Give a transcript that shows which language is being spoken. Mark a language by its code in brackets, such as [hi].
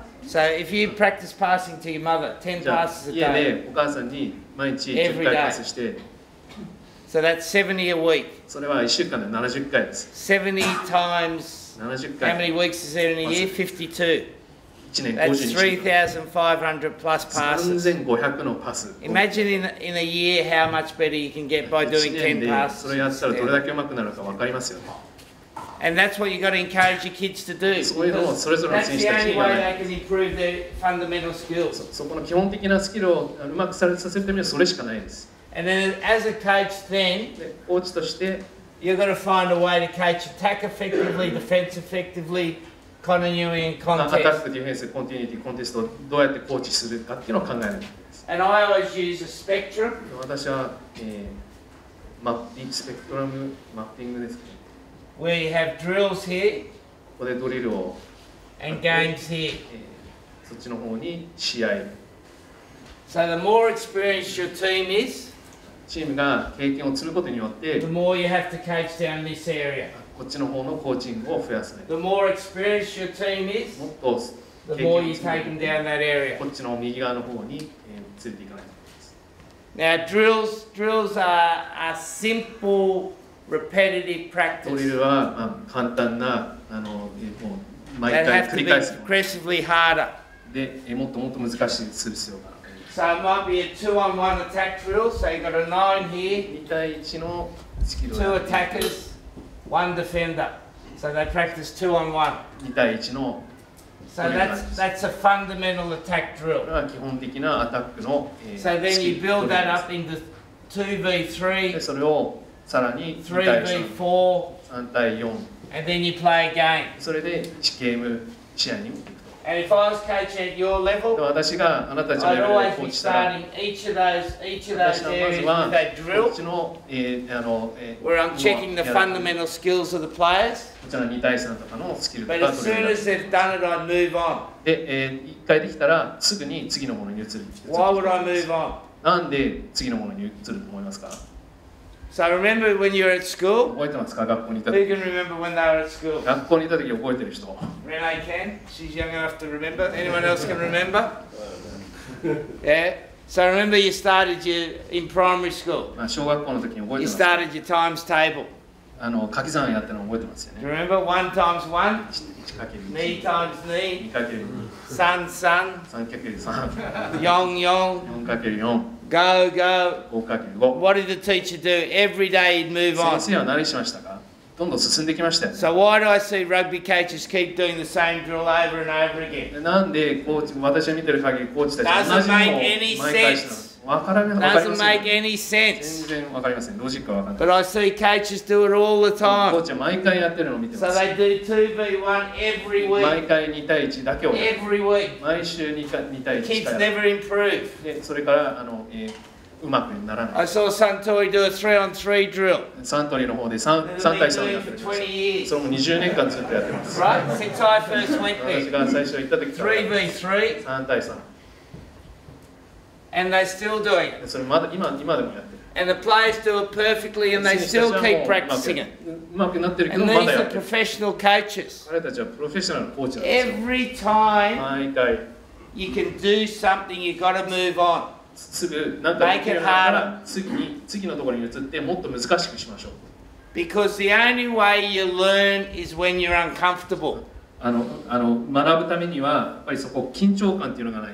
[en] So if you practice passing to your mother, 10 passes a day. [ja] 家でお母さんに毎日10回パスして。 [en] So that's 70 a week. [ja] それは1週間で70回です。 [en] 70 times, [ja] 70回。 [en] How many weeks is there in a year? 52. [ja] 1年52。 [en] That's 3,500 plus passes. [ja] 3,500 のパス。 [en] Imagine in a year how much better you can get by doing 10 passes. 1 [ja] 年でそれやったらどれだけ上手くなるか分かりますよ。 [en] And that's what you've got to encourage your kids to do. So that's the only way they can improve their fundamental skills. [ja] そこの基本的なスキルをうまくさせるためにはそれしかないです。 [en] And then as a coach then, [ja] コーチとして、 [en] you've got to find a way to coach attack effectively, defense effectively, continuity and contest. [ja] アタック、ディフェンス、コンティニティ、コンテストをどうやってコーチするかっていうのを考えるんです。 [en] And I always use a spectrum. [ja] 私は、マッピング、スペクトラム、マッピングですけど。 [en] Where you have drills here, [ja] ここでドリルを、 [en] and games here. [ja] そっちの方に試合。 [en] So the more experienced your team is, [ja] チームが経験を積むことによって、 [en] the more you have to coach down this area. [ja] こっちの方のコーチングを増やすね。 [en] The more experienced your team is, [ja] もっと経験を積むこと、 [en] the more you take them down that area. [ja] こっちの右側の方に、連れていかないといけない。 [en] Now drills are simple. Repetitive practice. [ja] ドリルは、簡単な、もう毎回繰り返すもの。 [en] Progressively harder. [ja] で、もっともっと難しくする必要がある。 [en] So it might be a two-on-one attack drill. So you got a nine here. [ja] 2対1のスキル。 [en] Two attackers, one defender. So they practice two-on-one. [ja] 2対1の。 [en] So that's a fundamental attack drill. [ja] これは基本的なアタックの、 [en] So then you build that up into 2v3. [ja] で、それをさらに 3 対4、3対 [en] 4、and then you play a game. [ja] それで1ゲーム試合に行くと。 [en] And if I was coaching at your level, [ja] 私があなたたちのレベルをコーチしたら、 [en] where I'm checking the fundamental skills of the players. [ja] こちらの2対3とかのスキルとか。 [en] But as soon as they've done it, I move on. [ja] で、一回できたらすぐに次のものに移る。 [en] Why would I move on? [ja] なんで次のものに移ると思いますか？ [en] So remember when you were at school? [ja] 覚えてますか学校にいた時。 [en] Who can remember when they were at school? [ja] 学校にいた時覚えてる人。 [en] Renee can. She's young enough to remember. Anyone else can remember? Yeah. So remember you started your in primary school. [ja] 小学校の時に覚えてます。 [en] You started your times table. [ja] 掛け算やってるの覚えてますよね。 [en] You remember one times one? [ja] 1かける1。 [en] Knee times knee. [ja] 2かける2。 [en] Sun sun. [ja] 3かける3。 [en] Yong yong. [ja] 4かける4。 [en] Go, go. What did the teacher do? Every day he'd move on. [ja] 先生は何しましたか？どんどん進んできましたよね。 [en] So why do I see rugby coaches keep doing the same drill over and over again? [ja] なんでコーチ、私が見てる限りコーチたちは同じのを毎回したの？ [en] Doesn't make any sense. Doesn't make any sense. But I see coaches do it all the time. So they do 2v1 every week. Every week. Kids never improve. I saw Suntory do a 3-on-3 drill. [ja] Suntory の方で 3対3 をやってる。それも20年間ずっとやってます。 [en] Right? Since I first went there. [ja] 私が最初行った時から。 [en] 3v3? [ja] 3対3。 [en] And they're still doing it. [ja] それまだ今でもやってる。 [en] And the players do it perfectly and they still keep practicing it. [ja] うまくなってるけどまだやってる。 [en] And these are professional coaches. [ja] 彼たちはプロフェッショナルのコーチなんですよ。 [en] Every time [ja] 毎回 [en] you can do something, you've got to move on. [ja] すぐなんかできるなら次のところに移ってもっと難しくしましょう。 [en] Because the only way you learn is when you're uncomfortable. [ja] あの学ぶためにはやっぱりそこ緊張感っていうのがない。